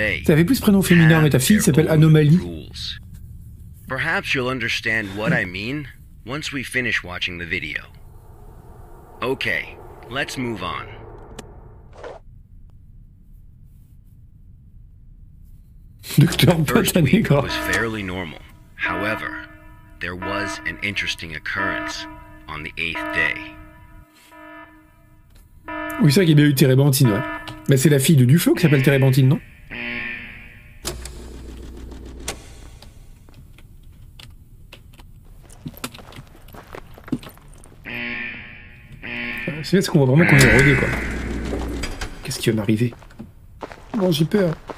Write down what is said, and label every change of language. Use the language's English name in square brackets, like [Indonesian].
[French] Ça avait plus prénom féminin, mais ta fille s'appelle Anomalie. [English] Perhaps you'll understand what I mean once we finish watching the video. Okay, let's move on. [French] Docteur Botanique. [English] The first week was fairly normal. However, there was an interesting occurrence on the 8th day. [French] Oui, c'est vrai qu'il y a eu Térébenthine, ouais. Mais c'est la fille de Dufault qui s'appelle Térébenthine, non? C'est parce qu'on voit vraiment qu'on est rodé, quoi. Qu'est-ce qui va m'arriver? Bon, j'ai peur.